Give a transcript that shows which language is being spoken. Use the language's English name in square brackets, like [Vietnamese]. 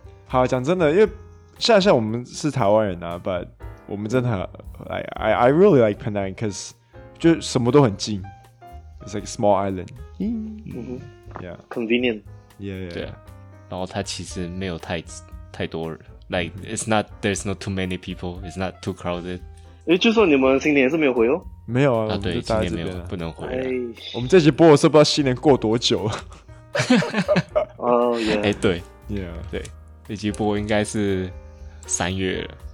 [Chinese] mm-hmm.。 好，讲真的，因为像我们是台湾人啊 ，But 我们真的， [English] I really like Penang， [Chinese] cause 就什么都很近 ， [English] It's like small island、 [Chinese] mm-hmm.。Yeah。 [English] Convenient。 Yeah。 [Chinese] 对。然后它其实没有太多人。 [English] Like it's not, there's not too many people. It's not too crowded. [Chinese] 哎，就说你们新年是没有回哦？没有啊，啊对，新年没有，不能回、啊。我们这集播的时候不知道新年过多久了。哦耶！哎，对 [English] ，Yeah， [Chinese] 对，这集播应该是三月了。